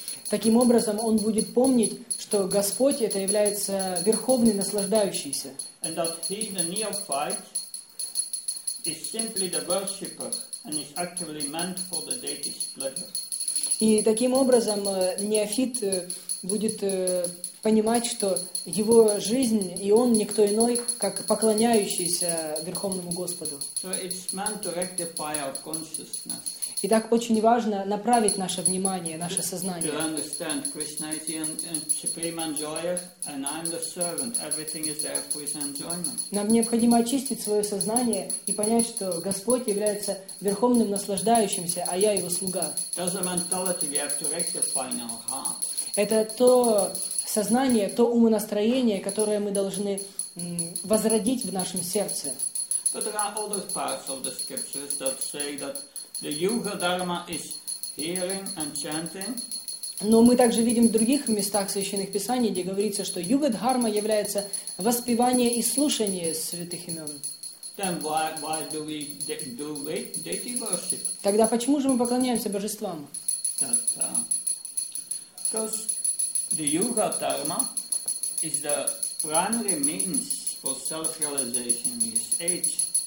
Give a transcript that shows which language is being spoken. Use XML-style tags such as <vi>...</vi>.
<ru>Таким образом, он будет помнить, что Господь — это является верховный наслаждающийся.</ru> <en>And that he, the neophyte, is simply the worshipper and is actually meant for the deity's pleasure.</en> <ru>И таким образом неофит будет понимать, что его жизнь и он никто иной, как поклоняющийся Верховному Господу.</ru> <en>So it's meant to rectify our consciousness.</en> <ru>И так очень важно направить наше внимание, наше сознание.</ru> <en>To understand Krishna is the supreme enjoyer, and I'm the servant. Everything is there for his enjoyment.</en> <ru>Нам необходимо очистить свое сознание и понять, что Господь является верховным наслаждающимся, а я его слуга.</ru> <en>That's the mentality we have to rectify in our heart.</en> <ru>Это то сознание, то умонастроение, которое мы должны возродить в нашем сердце.</ru> <en>But there are other parts of the scriptures that say that the yuga dharma is hearing and chanting.</en> <ru>Но мы также видим в других местах священных писаний, где говорится, что yuga dharma является воспевание и слушание святых имен.</ru> <en>Then why do we do deity worship?</en> <ru>Тогда почему же мы поклоняемся божествам?</ru> <en>Because the yuga dharma is the primary means for self-realization in this age.</en>